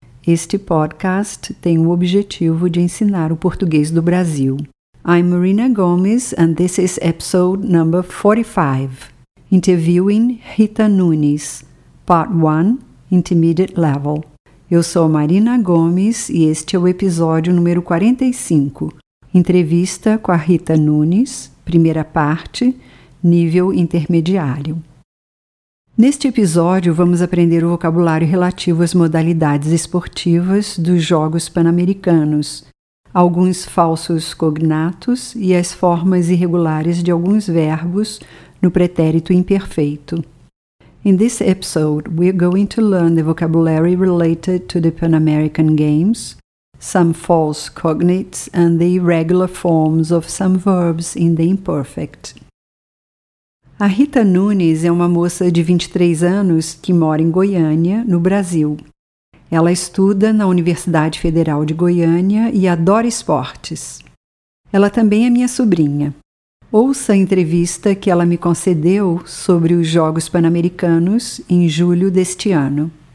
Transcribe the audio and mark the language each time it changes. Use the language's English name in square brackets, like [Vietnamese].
[Portuguese] Este podcast tem o objetivo de ensinar o português do Brasil. [English] I'm Marina Gomes, and this is episode number 45. Interviewing Rita Nunes, Part 1, Intermediate Level. [Portuguese] Eu sou Marina Gomes e este é o episódio número 45. Entrevista com a Rita Nunes, primeira parte, nível intermediário. Neste episódio, vamos aprender o vocabulário relativo às modalidades esportivas dos Jogos Pan-Americanos, alguns falsos cognatos e as formas irregulares de alguns verbos no pretérito imperfeito. [English] In this episode, we are going to learn the vocabulary related to the Pan-American Games, some false cognates and the irregular forms of some verbs in the imperfect. [Portuguese] A Rita Nunes é uma moça de 23 anos que mora em Goiânia, no Brasil. Ela estuda na Universidade Federal de Goiânia e adora esportes. Ela também é minha sobrinha. Ouça a entrevista que ela me concedeu sobre os Jogos Pan-Americanos em julho deste ano.